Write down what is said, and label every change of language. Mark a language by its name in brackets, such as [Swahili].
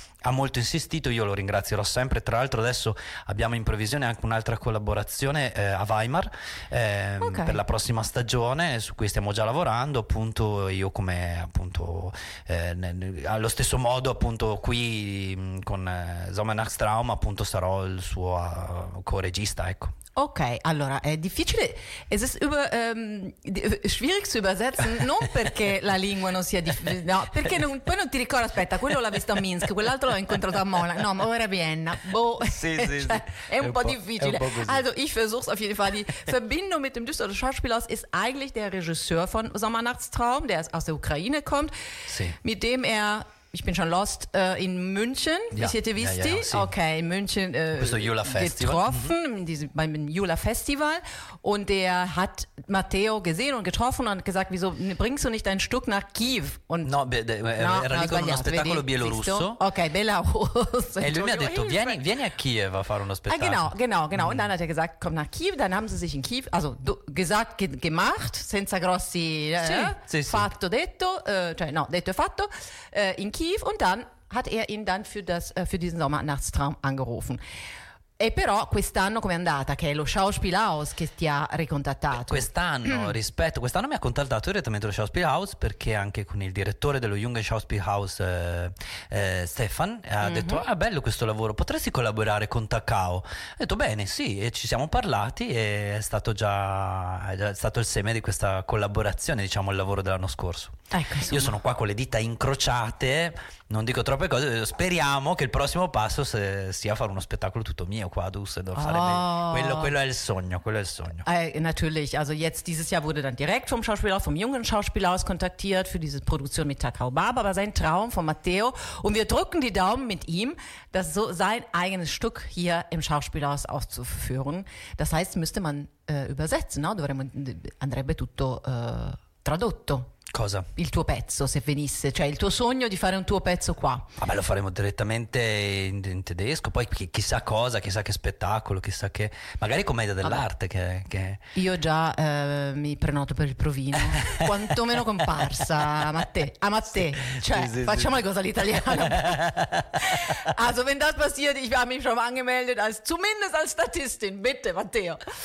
[Italian] ha molto insistito, io lo ringrazierò sempre. Tra l'altro adesso abbiamo in previsione anche un'altra collaborazione a Weimar per la prossima stagione, su cui stiamo già lavorando, appunto io come appunto allo stesso modo appunto qui con Sommernachtstraum appunto sarò il suo co-regista, ecco. Ok, allora è difficile, [German] es ist über, schwierig zu übersetzen, [Italian] non perché la lingua non sia difficile, no, perché non, poi non ti ricordo, aspetta, quello l'ha visto a Minsk, quell'altro l'ho incontrato a Monaco, no, ma ora a Vienna, boh, sì, sì, cioè, sì. È un po' difficile. È un po' così. [German] Also ich versuch's auf jeden Fall, die Verbindung mit dem Düsseldorfer Schauspielhaus ist eigentlich der Regisseur von Sommernachtstraum, der aus der Ukraine kommt, [Italian] sì. [German] Mit dem er... Ich bin schon lost in München, wie [Italian] siete visti? Ja, sì. [German] Okay, in München getroffen, beim Jula Festival. Und er hat Matteo gesehen und getroffen und gesagt, wieso bringst du nicht ein Stück nach Kiew? Und [Italian] no, era lì con uno spettacolo bielorusso. Ok, Belarus. E lui mi ha detto, vieni a Kiew a fare uno spettacolo. [German] Genau. Und dann hat er gesagt, komm nach Kiew. Dann haben sie sich in Kiew, also gesagt, gemacht, [Italian] senza grossi, fatto, detto, cioè no, detto e fatto, [German] in Kiew, und dann hat er ihn dann für diesen Sommernachtstraum angerufen. [Italian] E però quest'anno com'è andata? Che è lo Schauspielhaus che ti ha ricontattato. Quest'anno mi ha contattato direttamente lo Schauspielhaus, perché anche con il direttore dello Jungen Schauspielhaus Stefan ha detto, ah bello questo lavoro, potresti collaborare con Takao? Ha detto bene, sì, e ci siamo parlati e è stato il seme di questa collaborazione, diciamo il lavoro dell'anno scorso. Ecco, io sono qua con le dita incrociate, non dico troppe cose, speriamo che il prossimo passo sia fare uno spettacolo tutto mio qua a Düsseldorf. Quello è il sogno. [German] Natürlich, also jetzt dieses Jahr wurde dann direkt vom Schauspielhaus, vom Jungen Schauspielhaus kontaktiert für diese Produktion mit Takao Baba, aber sein Traum von Matteo, und wir drücken die Daumen mit ihm, dass so sein eigenes Stück hier im Schauspielhaus aufzuführen. Das heißt, müsste man übersetzen, no? [Italian] Andrebbe tutto tradotto. Cosa? Il tuo pezzo, se venisse, cioè il tuo sogno di fare un tuo pezzo qua. Vabbè, lo faremo direttamente in tedesco, poi chissà cosa, chissà che spettacolo, chissà che... Magari commedia dell'arte che... Io già mi prenoto per il provino, quantomeno comparsa, a Matte, sì, cioè sì, facciamo sì. Le cose all'italiano. [German] Also wenn das passiert, ich habe mich schon angemeldet, zumindest als Statistin, bitte Matteo.